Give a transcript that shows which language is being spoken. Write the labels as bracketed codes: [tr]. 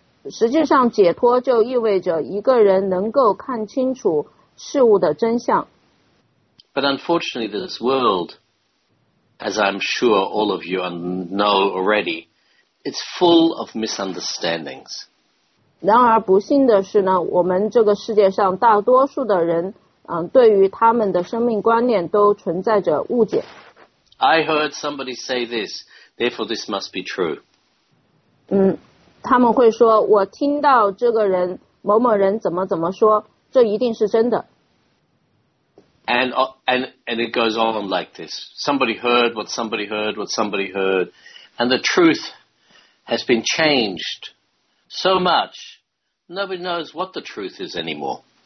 [zh] 实际上，解脱就意味着一个人能够看清楚事物的真相。 [en] But unfortunately, this world, as I'm sure all of you know already, it's full of misunderstandings. [zh] 然而不幸的是呢，我们这个世界上大多数的人，对于他们的生命观念都存在着误解。 [en] I heard somebody say this, therefore this must be true. [zh] 他们会说，我听到这个人某某人怎么怎么说，这一定是真的。 [en] And it goes on like this. Somebody heard what somebody heard what somebody heard, and the truth has been changed so much, nobody knows what the truth is anymore.